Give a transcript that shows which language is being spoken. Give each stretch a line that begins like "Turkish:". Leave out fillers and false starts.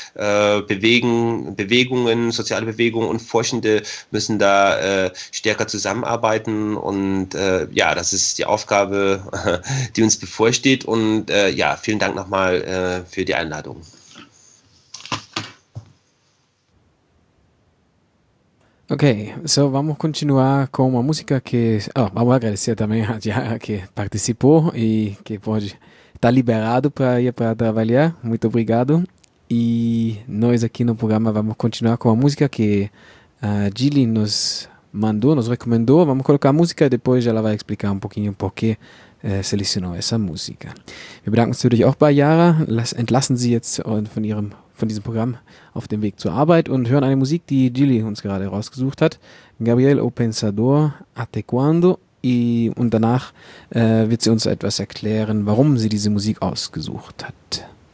German: Bewegungen, soziale Bewegungen und Forschende müssen da stärker zusammenarbeiten. Und ja, das ist die Aufgabe, die uns bevorsteht. Und ja, vielen Dank nochmal für die Einladung.
Portuguese: Ok, então vamos continuar com uma música que... Oh, vamos agradecer também a Diara que participou e que pode estar liberado para ir para trabalhar. Muito obrigado. E nós aqui no programa vamos continuar com a música que a Dili nos mandou, nos recomendou. Vamos colocar a música e depois ela vai explicar um pouquinho por que selecionou essa música.
German: Wir bedanken uns natürlich auch bei Yara. Entlassen Sie jetzt von diesem Programm auf dem Weg zur Arbeit und hören eine Musik, die Gilly uns gerade rausgesucht hat. Gabriel O Pensador, Até Quando. Und danach wird sie uns etwas erklären, warum sie diese Musik ausgesucht hat.